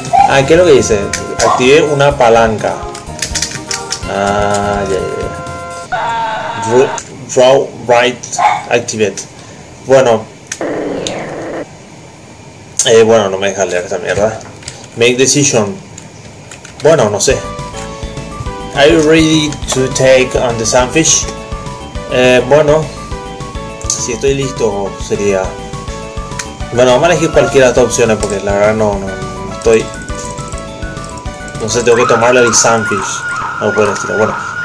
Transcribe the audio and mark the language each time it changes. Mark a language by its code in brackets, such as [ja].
[es] Ah, ¿qué es lo que dice? Activé una palanca. Ah, ya, ya, ya. [en] Draw right activate. [es] Bueno, bueno, no me deja leer esta mierda. [en] Make decision. [es] Bueno, no sé. [en] Are you ready to take on the sunfish? [es] Bueno, si estoy listo sería... Bueno, vamos a elegir cualquiera de estas opciones porque la verdad no estoy... No sé, tengo que tomarle el sunfish. No puedo estirar, bueno.